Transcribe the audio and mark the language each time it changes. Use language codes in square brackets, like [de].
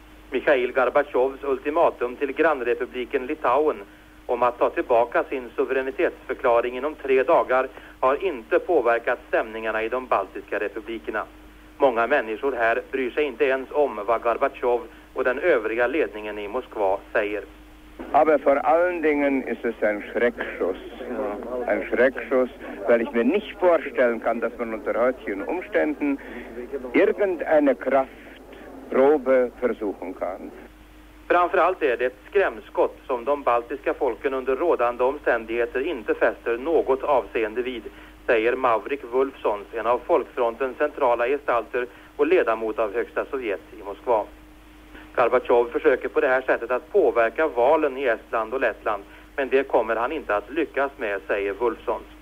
[sv] Mikhail Gorbachevs ultimatum till grannrepubliken Litauen om att ta tillbaka sin suveränitetsförklaring inom 3 dagar har inte påverkat stämningarna i de baltiska republikerna. Många människor här bryr sig inte ens om vad Gorbachev och den övriga ledningen i Moskva säger. [de] Aber vor allen Dingen ist es ein Schreckschuss. Ein Schreckschuss, weil ich mir nicht vorstellen kann, dass man unter heutigen Umständen irgendeine Kraftprobe versuchen kann. [sv] Framförallt är det ett skrämskott som de baltiska folken under rådande omständigheter inte fäster något avseende vid, säger Mavrik Wulfsson, en av folkfrontens centrala gestalter och ledamot av Högsta Sovjet i Moskva. Gorbachev försöker på det här sättet att påverka valen i Estland och Lettland, men det kommer han inte att lyckas med, säger Wulfsson.